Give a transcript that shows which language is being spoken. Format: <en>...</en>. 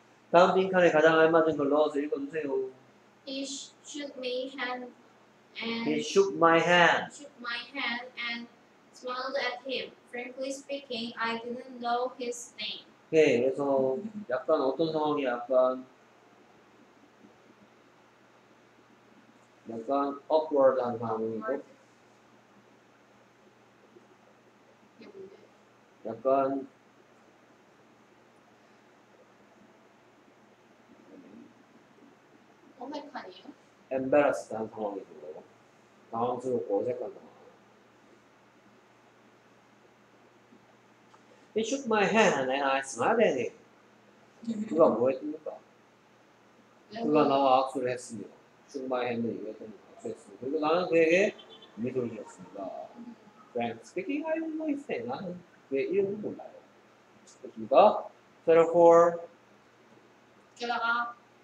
<ko>다음 빈칸에 가장 알맞은 걸 넣어서 읽어주세요.</ko> <en>He shook my hand and smiled at him. Frankly speaking, I didn't know his name.</en> <ko>네, 그래서 약간 어떤 상황이 약간 awkward한 상황이고 약간 어색하네요. embarrassed 한 상황이 있는 거예요. 당황스럽고 어색한 상황.</ko> <en>He shook my hand and I smiled at him.</en> <ko>그가 뭐 했습니까? 그가 나와 악수를 했습니다. shook my hand을 이겼습니다. 악수했습니다. 그리고 나는 그에게 미소를 지었습니다.</ko> <en>Frank speaking, I don't know his name.</en> <ko>나는 그의 이름을 몰라요. 그렇습니까? Therefore, 게다가</ko>